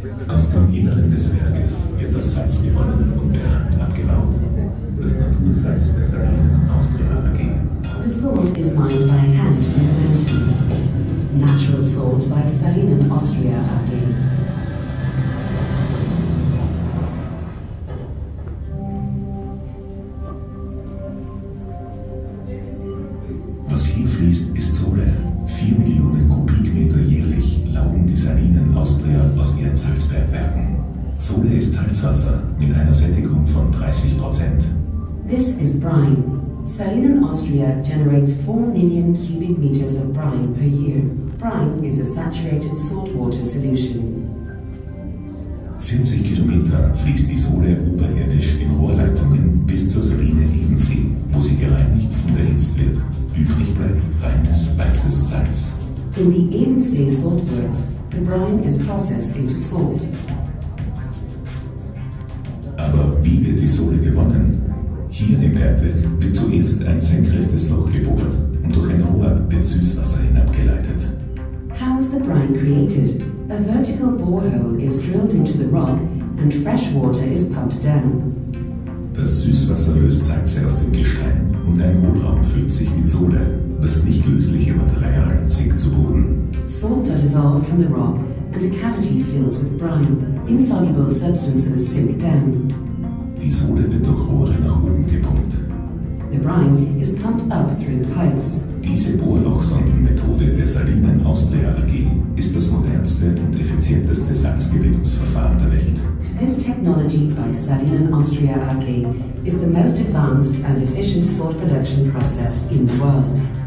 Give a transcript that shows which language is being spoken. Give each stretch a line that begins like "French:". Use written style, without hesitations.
German: Aus dem Inneren des Berges wird das Salz gewonnen und per Hand abgebaut. Das Natursalz der Salinen Austria AG.
English: The salt is mined by hand from the mountain. Natural salt by Salinen Austria AG.
German: Was hier fließt, ist Sole. 4 Millionen Kubikmeter jährlich laugen die Salinen Austria aus ihren Salzbergwerken. Sole ist Salzwasser mit einer Sättigung von 30%.
English: This is brine. Salinen Austria generates 4 million cubic meters of brine per year. Brine is a saturated saltwater solution.
German: 40 Kilometer fließt die Sole oberirdisch in Rohrleitungen bis zur Saline Ebensee, wo sie gereinigt und erhitzt wird. Übrig bleibt reines weißes Salz.
English: In the Ebensee saltworks, the brine is processed into salt.
German: Aber wie wird die Sole gewonnen? Hier im Bergwerk wird zuerst ein senkrechtes Loch gebohrt und durch ein Rohr wird Süßwasser hinabgeleitet.
English: How is the brine created? A vertical borehole is drilled into the rock and fresh water is pumped down.
German: Das Süßwasser löst Salze aus dem Gestein und ein Hohlraum füllt sich mit Sole. Das nicht lösliche Material sinkt zu Boden.
English: Salts are dissolved from the rock and a cavity fills with brine. Insoluble substances sink down.
German: Die Sole wird durch Rohre nach oben gepumpt.
English: The brine is pumped up through the pipes.
German: Diese Bohrlochsondenmethode der Salinen Austria AG ist das modernste und effizienteste Salzgewinnungsverfahren der Welt.
English: This technology by Salinen Austria AG is the most advanced and efficient salt production process in the world.